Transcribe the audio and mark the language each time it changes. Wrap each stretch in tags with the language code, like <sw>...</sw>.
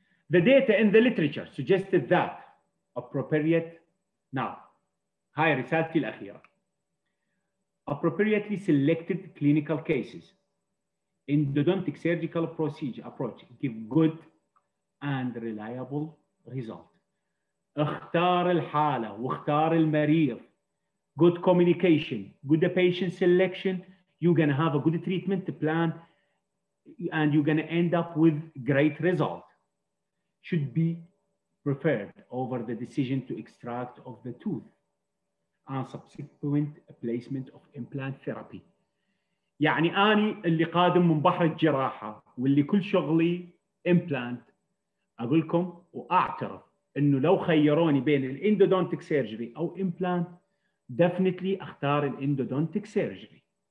<en>The data in the literature suggested that appropriate now.</en> <ar>هاي رسالتي الأخيرة.</ar> <en>Appropriately selected clinical cases. Endodontic surgical procedure approach give good and reliable result.</en> <ar>اختار الحالة واختار المريض.</ar> <en>Good communication, good patient selection. You're gonna have a good treatment plan and you're gonna end up with great result. Should be preferred over the decision to extract of the tooth. And subsequent placement of implant therapy.</en> <ar>يعني أنا اللي قادم من بحر الجراحة واللي كل شغلي implant أقولكم وأعترف إنه لو خيروني بين الإندودونتيك سيرجري أو implant definitely أختار الإندودونتيك سيرجري.</ar>